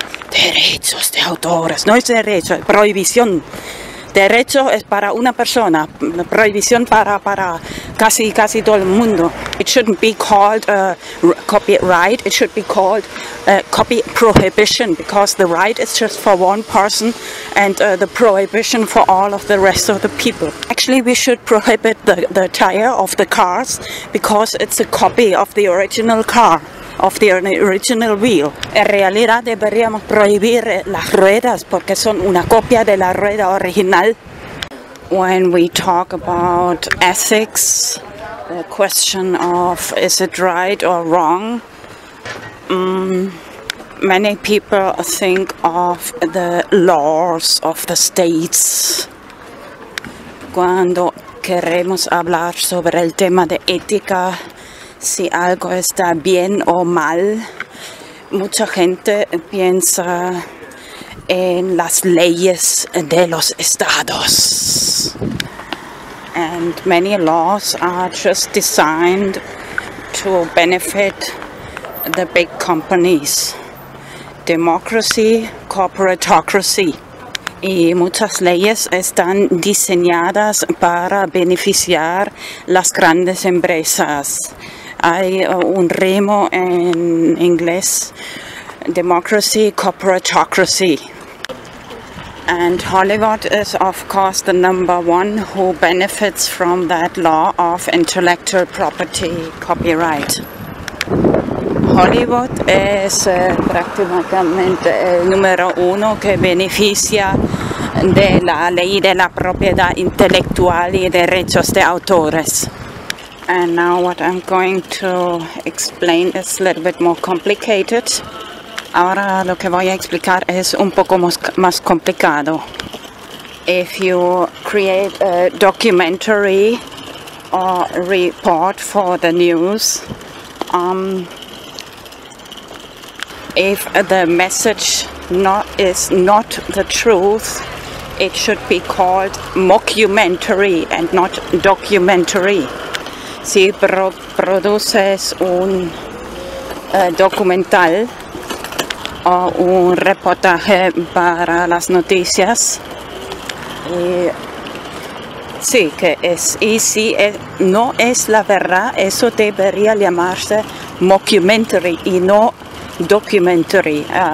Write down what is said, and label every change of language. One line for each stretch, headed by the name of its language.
Spanish: Derechos de autores, no es derecho, es prohibición. Derecho es para una persona, prohibición para casi todo el mundo.
English: It shouldn't be called copyright, it should be called copy prohibition, because the right is just for one person and the prohibition for all of the rest of the people. Actually, we should prohibit the tire of the cars because it's a copy of the original car. Of the original wheel.
Spanish: En realidad deberíamos prohibir las ruedas porque son una copia de la rueda original.
English: When we talk about ethics, the question of is it right or wrong, many people think of the laws of the states.
Spanish: Cuando queremos hablar sobre el tema de ética, si algo está bien o mal, mucha gente piensa en las leyes de los estados.
English: And many laws are just designed to benefit the big companies. Democracy, corporatocracy.
Spanish: Y muchas leyes están diseñadas para beneficiar las grandes empresas. Hay un rimo en inglés:
English: democracy, corporatocracy. And Hollywood is of course the number one who benefits from that law of intellectual property copyright.
Spanish: Hollywood es prácticamente el número uno que beneficia de la ley de la propiedad intelectual y derechos de autores.
English: And now what I'm going to explain is a little bit more complicated.
Spanish: Ahora lo que voy a explicar es un poco más complicado.
English: If you create a documentary or report for the news, if the message not is not the truth, it should be called mockumentary and not documentary.
Spanish: Si produces un documental o un reportaje para las noticias, y sí, que es, y si es, no es la verdad, eso debería llamarse mockumentary y no documentary.